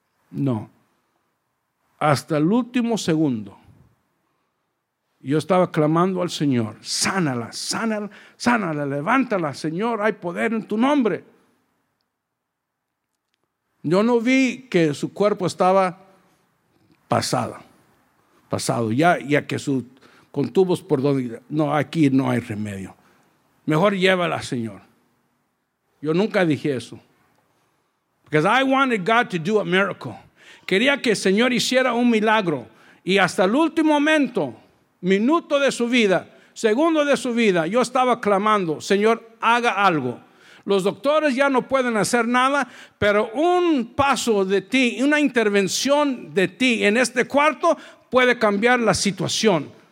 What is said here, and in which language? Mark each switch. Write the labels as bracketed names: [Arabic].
[Spanish] No. Hasta el último segundo, yo estaba clamando al Señor, sánala, sánala, sánala, levántala, Señor, hay poder en tu nombre. Yo no vi que su cuerpo estaba pasado, ya que su con tubos por donde, no, aquí no hay remedio. Mejor llévala, Señor. Yo nunca dije eso. [English] Because I wanted God to do a miracle. [Spanish] Quería que el Señor hiciera un milagro. Y hasta el último momento, minuto de su vida, segundo de su vida, yo estaba clamando, Señor, haga algo. Los doctores ya no pueden hacer nada, pero un paso de ti, una intervención de ti en este cuarto puede cambiar la situación.